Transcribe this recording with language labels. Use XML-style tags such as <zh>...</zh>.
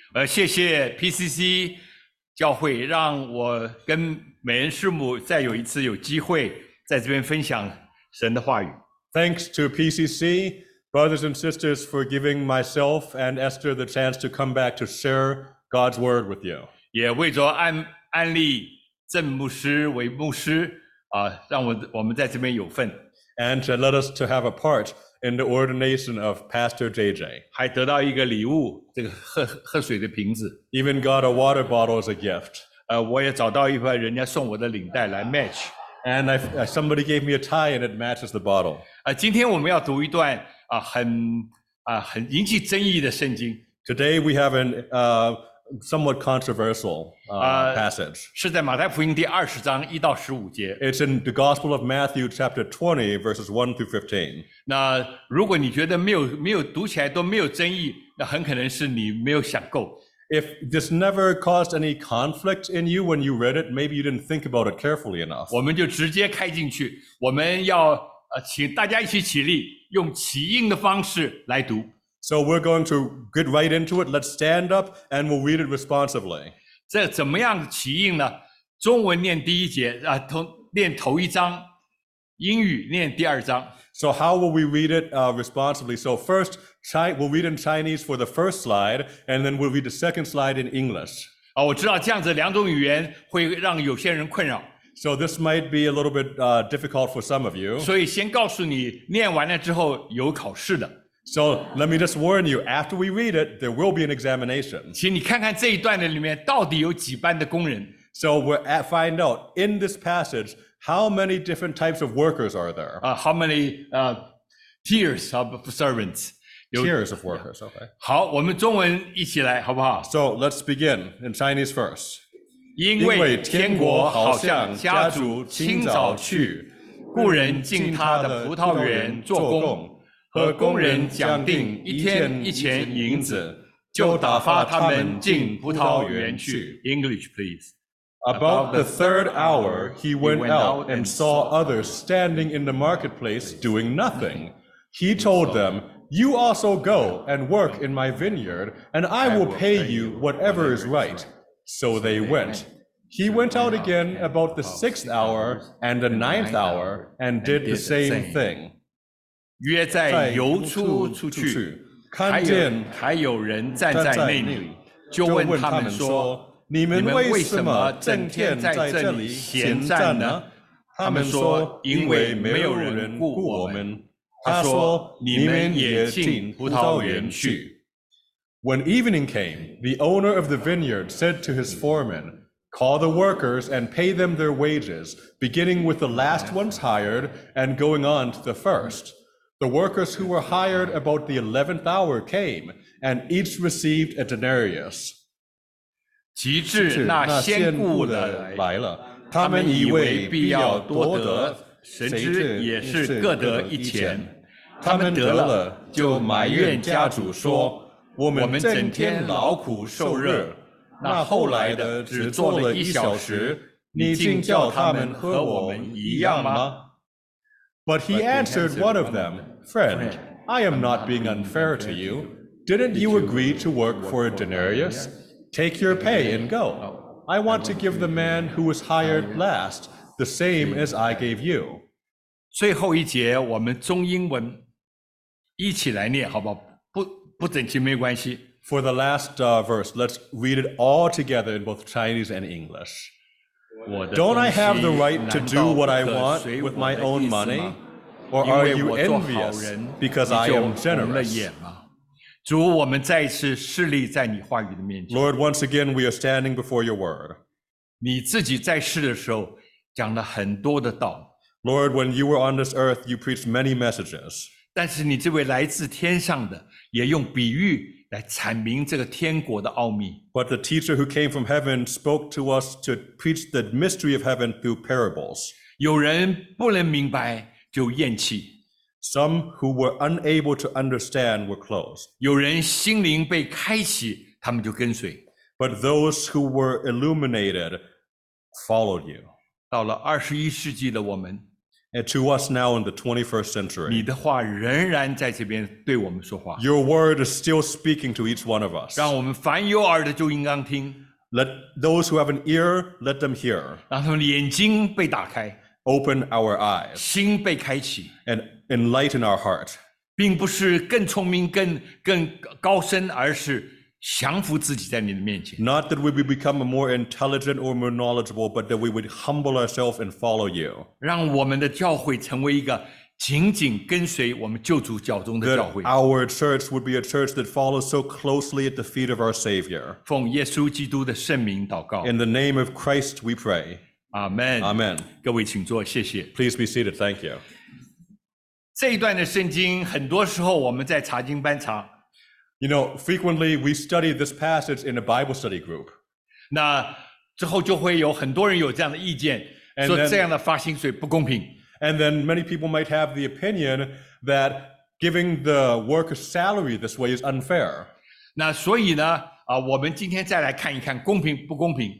<zh>谢谢 PCC 教会让我跟美恩师母再有一次有机会在这边分享神的话语。</zh> <en>Thanks to PCC, brothers and sisters, for giving myself and Esther the chance to come back to share God's word with you.</en> <zh>也为着安利郑牧师为牧师让我们在这边有份。</zh> <en>And to let us to have a part in the ordination of Pastor JJ.</en> <zh>还得到一个礼物，这个喝水的瓶子。</zh> <en>Even got a water bottle as a gift.</en> <zh>我也找到一份人家送我的领带来 match。</zh> <en>And somebody gave me a tie and it matches the bottle.</en> <zh>今天我们要读一段很引起争议的圣经。</zh> <en>Today we have a somewhat controversial passage.</en> <zh>是在马太福音第二十章一到十五节。</zh> <en>It's in the Gospel of Matthew chapter 20 verses 1 through 15.</en> <zh>那如果你觉得没有读起来都没有争议，那很可能是你没有想够。</zh> <en>If this never caused any conflict in you when you read it, maybe you didn't think about it carefully enough.</en> <zh>我们就直接开进去，我们要请大家一起起立，用起印的方式来读。</zh> <en>So we're going to get right into it. Let's stand up and we'll read it responsively.</en> <zh>这怎么样起印呢？中文念第一节念头一章，英语念第二章。</zh> <en>So how will we read it responsibly? So first, we'll read in Chinese for the first slide, and then we'll read the second slide in English. 我知道这样子两种语言会让有些人困扰。 So this might be a little bit difficult for some of you. 所以先告诉你，念完了之后有考试的。 So let me just warn you, after we read it, there will be an examination. 请你看看这一段的里面到底有几班的工人。 So we'll find out in this passage,How many different types of workers are there? How many tiers of servants? Tiers of workers, okay.</en> <zh>好，我们中文一起来，好不好？</zh> <en>So let's begin in Chinese first.</en> <zh>因为天国好像家主清早去，雇人进他的葡萄园做工，和工人讲定一天一钱银子，就打发他们进葡萄园去。</zh> <en>English, please. About the third hour, he went out and saw others standing in the marketplace doing nothing. He told them, You also go and work in my vineyard, and I will pay you whatever is right. So they went. He went out again about the sixth hour and the ninth hour and did the same thing.</en> <zh>约在游出出去，看见还有人站在内，就问他们说你们为什么整天在这里闲站呢？他们说，因为没有人雇我们。他说，你们也进葡萄园去。</zh> <en>When evening came, the owner of the vineyard said to his foreman, Call the workers and pay them their wages, beginning with the last ones hired and going on to the first. The workers who were hired about the 11th hour came, and each received a denarius.</en> <zh>及至那先雇的来了，他们以为必要多得，神知也是各得一钱。他们得了，就埋怨家主说：“我们整天劳苦受热，那后来的只做了一小时，你竟叫他们和我们一样吗？”</zh> <en>But he answered one of them, Friend, I am not being unfair to you. Didn't you agree to work for a denarius? Take your pay and go. I want to give the man who was hired last the same as I gave you.</en> <zh>最后一节我们中英文一起来念好不好？不整齐没关系。</zh> <en>For the last verse, let's read it all together in both Chinese and English. Don't I have the right to do what I want with my own money? Or are you envious because I am generous?</en> <zh>主，我们再一次侍立在你话语的面前。</zh> <en>Lord, once again, we are standing before your word.</en> <zh>你自己在世的时候讲了很多的道。</zh> <en>Lord, when you were on this earth, you preached many messages.</en> <zh>但是你这位来自天上的，也用比喻来阐明这个天国的奥秘。</zh> <en>But the teacher who came from heaven spoke to us to preach the mystery of heaven through parables.</en> <zh>有人不能明白就厌弃。</zh> <en>Some who were unable to understand were closed.</en> <zh>有人心灵被开启，他们就跟随。</zh> <en>But those who were illuminated followed you.</en> <zh>到了二十一世纪的我们，</zh> <en>And to us now in the 21st century,</en> <zh>你的话仍然在这边对我们说话。</zh> <en>Your word is still speaking to each one of us.</en> <zh>让我们凡有耳的就应当听。</zh> <en>Let those who have an ear, let them hear.</en> <zh>让他们眼睛被打开。</zh> <en>Open our eyes.</en> <zh>心被开启。</zh> <en>And enlighten our heart.</en> <zh>并不是更聪明、更高深，而是降服自己在你的面前。</zh> <en>Not that we would become more intelligent or more knowledgeable, but that we would humble ourselves and follow you.</en> <zh>让我们的教会成为一个紧紧跟随我们救主脚中的教会。</zh> <en>That our church would be a church that follows so closely at the feet of our Savior.</en> <zh>奉耶稣基督的圣名祷告。</zh> <en>In the name of Christ, we pray. Amen. Amen.</en> <zh>各位请坐，谢谢。</zh> <en>Please be seated. Thank you.</en> <zh>这一段的圣经，很多时候我们在查经班查。</zh> <en>You know, frequently we study this passage in a Bible study group.</en> <zh>那之后就会有很多人有这样的意见，说这样的发薪水不公平。</zh> <en>And then many people might have the opinion that giving the worker salary this way is unfair.</en> <zh>那所以呢，我们今天再来看一看公平不公平。</zh>